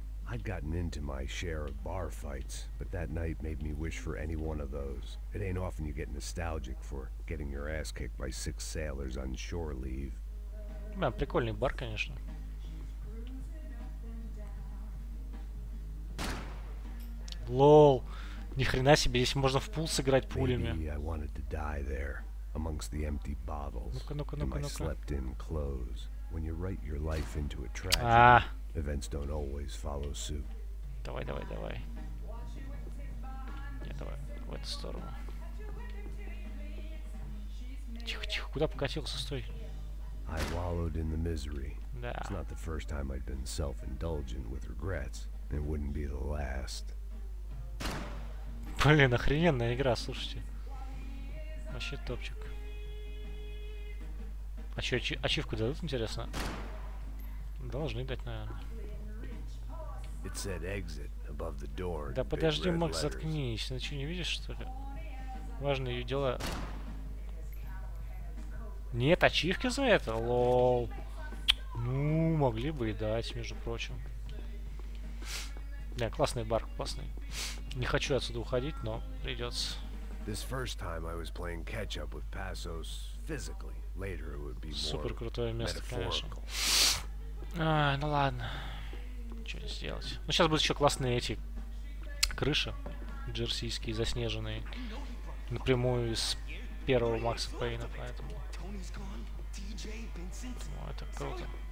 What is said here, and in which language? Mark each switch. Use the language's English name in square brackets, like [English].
[English] I'd gotten into my share of bar fights, but that night made me wish for any one of those. It ain't often you get nostalgic for getting your ass kicked by six sailors on shore leave. [Russian] Man, прикольный бар, конечно. Лол, ни хрена себе, здесь можно в пул сыграть пулями. [English] Maybe I wanted to die there, amongst the empty bottles, [Russian] ну-ка. [English] In my slept-in clothes. When you write your life into a tragedy. Events don't always follow suit. [Russian] Давай, давай, давай. Нет, давай, в эту сторону. Тихо, тихо, куда покатился, стой. [English] I wallowed in the misery. [Russian] Да. [English] It's not the first time I'd been self-indulgent with regrets. It wouldn't be the last. [Russian] Блин, охрененная игра, слушайте. Вообще топчик. А чё, ачивку дадут, интересно? Должны дать, наверное. [English] It said exit above the door. [Russian] Да подожди, Макс, заткнись. Ты что, не видишь, что ли? Важные дела. Нет, ачивки за это? Лол. Ну, могли бы и дать, между прочим. Да, классный бар, классный. Не хочу отсюда уходить, но придется. [English] This first time I was playing catch up with Passos physically. Later it would be more. [Russian] Супер крутое место, конечно. А, ну ладно. Что сделать? Ну сейчас будут еще классные эти крыши джерсийские, заснеженные напрямую из первого Макса Пейна, поэтому о, это круто.